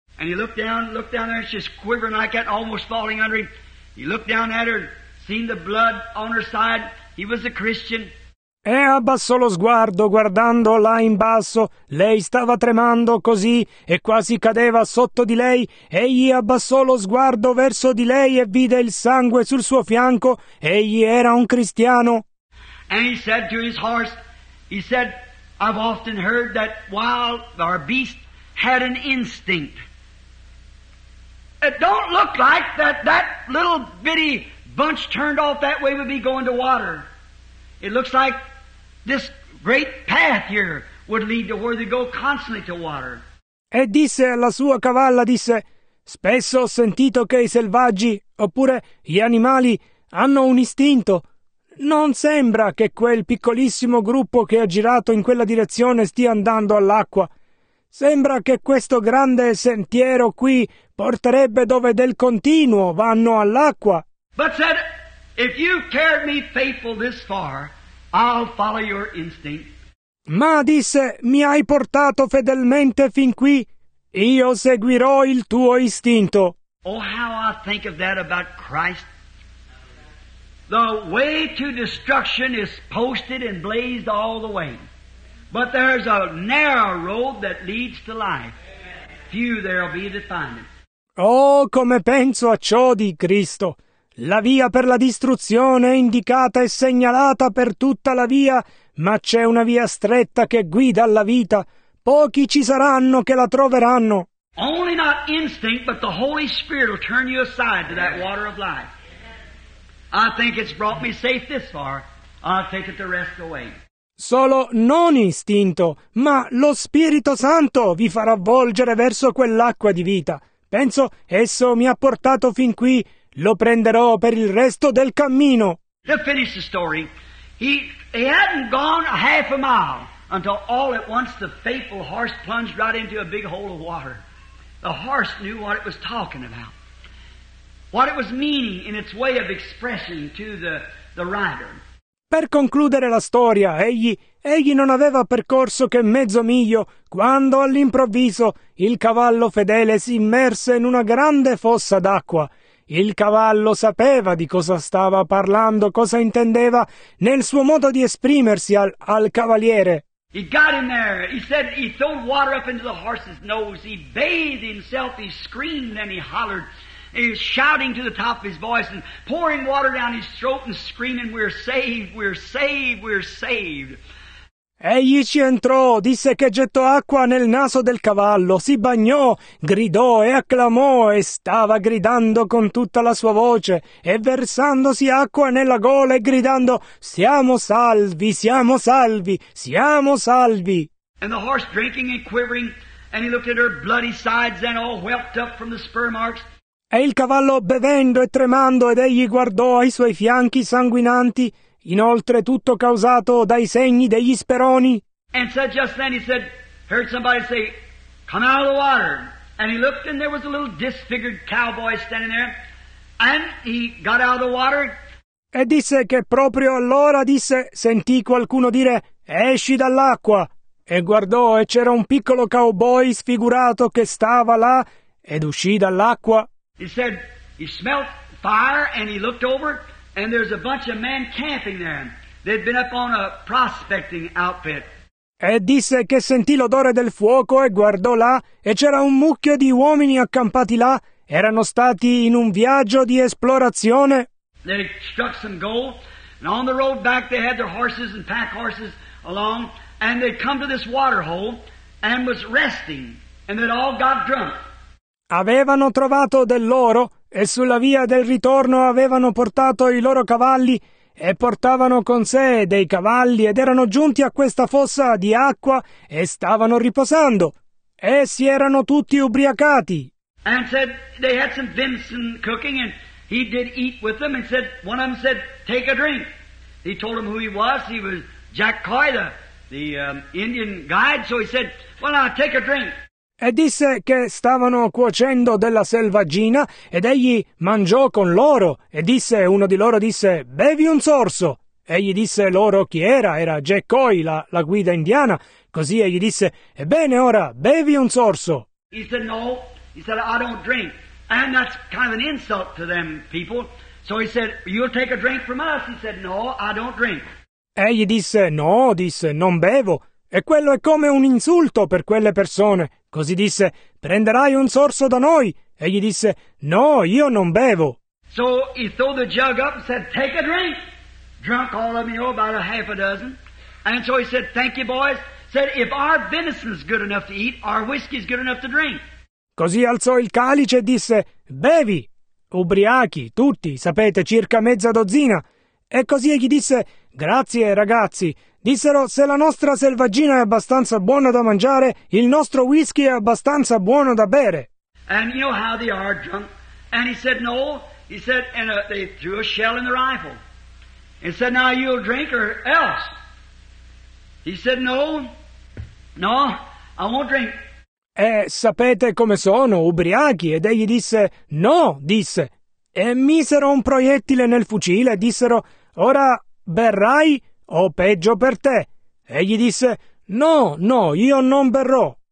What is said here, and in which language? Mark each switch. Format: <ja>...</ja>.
<en>And he looked down there, she's quivering like that, almost falling under him. He looked down at her, seen the blood on her side. He was a Christian.</en> <it>E abbassò lo sguardo guardando là in basso, lei stava tremando così e quasi cadeva sotto di lei, egli abbassò lo sguardo verso di lei e vide il sangue sul suo fianco, egli era un cristiano.</it> <en>And he said to his horse, he said, I've often heard that wild or beast had an instinct. It don't look like that little bitty bunch turned off that way would be going to water. It looks like this great path here would lead to where they go constantly to water.</en> <it>E disse alla sua cavalla, disse, spesso ho sentito che i selvaggi, oppure gli animali, hanno un istinto. Non sembra che quel piccolissimo gruppo che ha girato in quella direzione stia andando all'acqua. Sembra che questo grande sentiero qui porterebbe dove del continuo vanno all'acqua.</it> <en>But said, if you carried me faithful this far, I'll follow your instinct.</en> <it>Ma disse, mi hai portato fedelmente fin qui, io seguirò il tuo istinto.</it> <en>Oh, how I think of that about Christ. The way to destruction is posted and blazed all the way. But there's a narrow road that leads to life. Few there'll be to find it.</en> <it>Oh, come penso a ciò di Cristo. La via per la distruzione è indicata e segnalata per tutta la via, ma c'è una via stretta che guida alla vita. Pochi ci saranno che la troveranno.</it> <en>Only not instinct, but the Holy Spirit will turn you aside to that water of life. I think it's brought me safe this far. I'll take it the rest away.</en> <it>Solo non istinto, ma lo Spirito Santo vi farà volgere verso quell'acqua di vita. Penso esso mi ha portato fin qui. Lo prenderò per il resto del cammino.</it> <en>He'll finish the story. He hadn't gone a half a mile until all at once the faithful horse plunged right into a big hole of water. The horse knew what it was talking about, what it was meaning in its way of expressing to the rider.</en> <it>Per concludere la storia, egli non aveva percorso che mezzo miglio quando all'improvviso il cavallo fedele si immerse in una grande fossa d'acqua. Il cavallo sapeva di cosa stava parlando, cosa intendeva nel suo modo di esprimersi al cavaliere.</it> <en>He got in there. He said he threw water up into the horse's nose. He bathed himself. He screamed and he hollered. He was shouting to the top of his voice and pouring water down his throat and screaming, "We're saved! We're saved! We're saved!"</en> <it>Egli ci entrò, disse che gettò acqua nel naso del cavallo, si bagnò, gridò e acclamò e stava gridando con tutta la sua voce e versandosi acqua nella gola e gridando, "Siamo salvi, siamo salvi, siamo salvi!"</it> <en>And the horse drinking and quivering, and he looked at her bloody sides and all whelped up from the spur marks.</en> <it>E il cavallo bevendo e tremando ed egli guardò ai suoi fianchi sanguinanti, inoltre tutto causato dai segni degli speroni.</it> <en>And so just then he said, heard somebody say, "Come out of the water." And he looked and there was a little disfigured cowboy standing there. And he got out of the water.</en> <it>E disse che proprio allora sentì qualcuno dire, "Esci dall'acqua." E guardò e c'era un piccolo cowboy sfigurato che stava là ed uscì dall'acqua.</it> <en>He said, he smelled fire and he looked over. And there's a bunch of men camping there. They'd been up on a prospecting outfit.</en> <it>E disse che sentì l'odore del fuoco e guardò là e c'era un mucchio di uomini accampati là. Erano stati in un viaggio di esplorazione.</it> <en>They struck some gold, and on the road back they had their horses and pack horses along, and they'd come to this water hole and was resting, and they'd all got drunk.</en> <it>Avevano trovato dell'oro e sulla via del ritorno avevano portato i loro cavalli e portavano con sé dei cavalli ed erano giunti a questa fossa di acqua e stavano riposando. Essi erano tutti ubriacati.</it> <en>And said they had some venison cooking and he did eat with them and said one of them said take a drink. He told them who he was Jack Coy, the Indian guide, so he said, "Well, now take a drink."</en> <it>E disse che stavano cuocendo della selvaggina ed egli mangiò con loro e disse uno di loro disse "Bevi un sorso." Egli disse loro chi era Jack Coy, la guida indiana. Così egli disse "Ebbene ora bevi un sorso."</it> <en>He said no. He said I don't drink. And that's kind of an insult to them people. So he said "You'll take a drink from us." He said no, I don't drink.</en> <it>Egli disse "No, disse non bevo." E quello è come un insulto per quelle persone. Così disse, prenderai un sorso da noi. E gli disse, no, io non bevo.</it> <en>So he threw the jug up and said, take a drink. Drunk all of me, about a half a dozen. And so he said, thank you boys. Said, if our venison's good enough to eat, our whiskey's good enough to drink.</en> <it>Così alzò il calice e disse, bevi. Ubriachi, tutti, sapete, circa mezza dozzina. E così gli disse, grazie ragazzi. Dissero, se la nostra selvaggina è abbastanza buona da mangiare, il nostro whisky è abbastanza buono da bere.</it> <en>And you know how they are drunk. And he said, no. He said, and they threw a shell in the rifle. And said, now you'll drink or else. He said, no, I won't drink.</en> <it>E sapete come sono, ubriachi. Ed egli disse, no, disse. E misero un proiettile nel fucile e dissero, ora berrai o peggio per te. Egli disse, no, io non berrò.</it>